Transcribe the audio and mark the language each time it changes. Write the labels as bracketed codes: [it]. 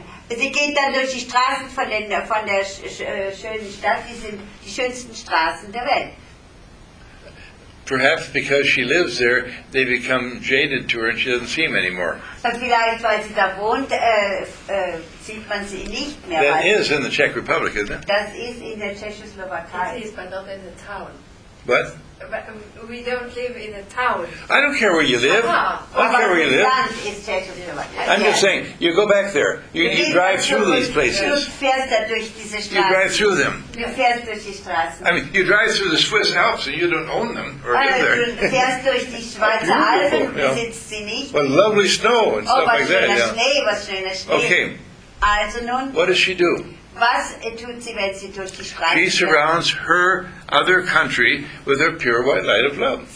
[de] Sie geht dann durch die Straßen von der schönen Stadt. Die sind die schönsten Straßen der Welt. [en] Perhaps because she lives there, they become jaded to her and she doesn't see him anymore. [de] Vielleicht, weil sie da wohnt, sieht man sie nicht mehr. [en] That is in the Czech Republic, isn't it? [de] Das ist in der Tschechoslowakei. [en] It is, but not in the town. What? We don't live in a town. I don't care where you live. Uh-huh. I don't care where you live. I'm just saying, you go back there. You drive through these places. You drive through them. I mean, you drive through the Swiss Alps and you don't own them or live there. Well, lovely snow and stuff like that. Yeah. Okay. What does she do? [de] Was tut sie, wenn sie durch die Straße [en] She surrounds [de] geht? [en] Her other country with her pure white light of love.